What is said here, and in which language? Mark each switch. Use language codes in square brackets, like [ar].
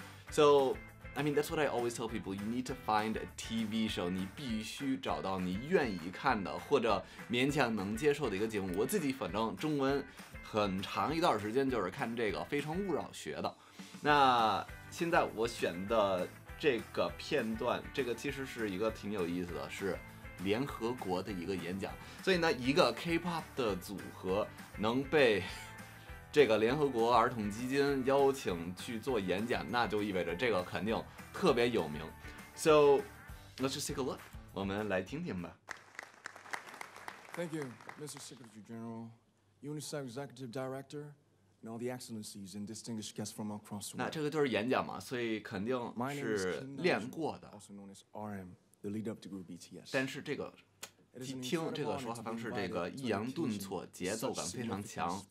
[en] So I mean that's what I always tell people. You need to find a TV show. [zh] 你必须找到你愿意看的或者勉强能接受的一个节目。我自己反正中文很长一段时间就是看这个《非诚勿扰》学的。那现在我选的这个片段，这个其实是一个挺有意思的，是联合国的一个演讲。所以呢，一个 K-pop 的组合能被这个联合国儿童基金邀请去做演讲，那就意味着这个肯定特别有名。 [en] So let's just take a look， [zh] 我们来听听吧。 [en] Thank you, Mr. Secretary General, UNICEF Executive Director, and all the excellencies and distinguished guests from across the world. [zh] 那这个就是演讲嘛，所以肯定是练过的。 [en] Also known as RM, the lead up to group BTS. [zh] 但是这个听这个说话方式，这个抑扬顿挫，节奏感非常强。